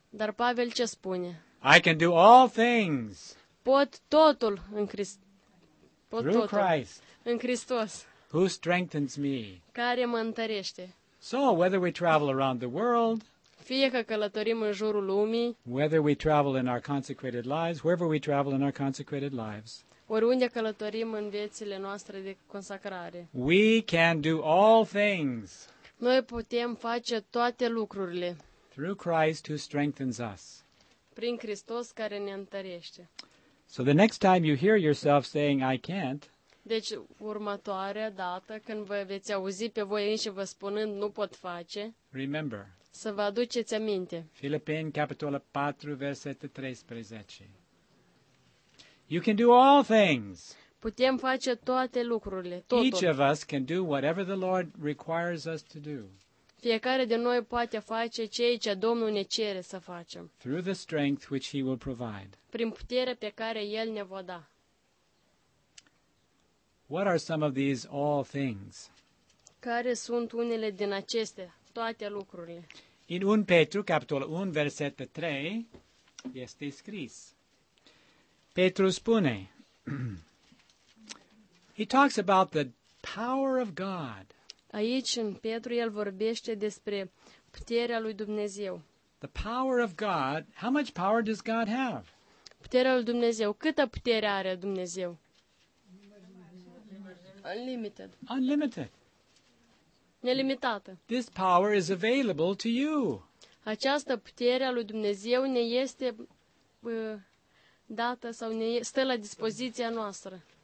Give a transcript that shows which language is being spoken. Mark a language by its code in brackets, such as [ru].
[ro] Dar Pavel ce spune? [en] I can do all things. [ro] Pot totul în Hristos. [en] Through Christ, [ro] în Hristos, [en] who strengthens me. [ro] Care mă întărește. [en] So, whether we travel around the world, [ro] fie că călătorim în jurul lumii, [en] whether we travel in our consecrated lives, wherever we travel in our consecrated lives, [ro] oriunde călătorim în viețile noastre de consacrare, [en] we can do all things. [ro] Noi putem face toate lucrurile. [en] Through Christ, who strengthens us. [ro] Prin Hristos care ne întărește. [en] So the next time you hear yourself saying I can't. [ro] Deci următoarea dată când vă veți auzi pe voi înși vă spunând nu pot face. [en] Remember. [ro] Să vă aduceți aminte. Filipeni capitolul 4 versetul 13. [en] You can do all things. [ro] Putem face toate lucrurile, totul. [en] Each of us can do whatever the Lord requires us to do. [ro] Fiecare de noi poate face ceea ce Domnul ne cere să facem. [en] Through the strength which he will provide. [ro] Prin puterea pe care el ne va da. [en] What are some of these all things? [ro] Care sunt unele din acestea, toate lucrurile? În 1 Petru, capitolul 1, versetul 3, este scris. Petru spune, [en] he talks about the power of God. [ro] Aici în Petru el vorbește despre puterea lui Dumnezeu. [en] The power of God, how much power does God have? [ro] Puterea lui Dumnezeu, câtă putere are Dumnezeu? [en] Unlimited. Unlimited. [ro] Nelimitată. [en] This power is available to you. [ro] Această putere a lui Dumnezeu ne este dată sau ne stă la dispoziția noastră.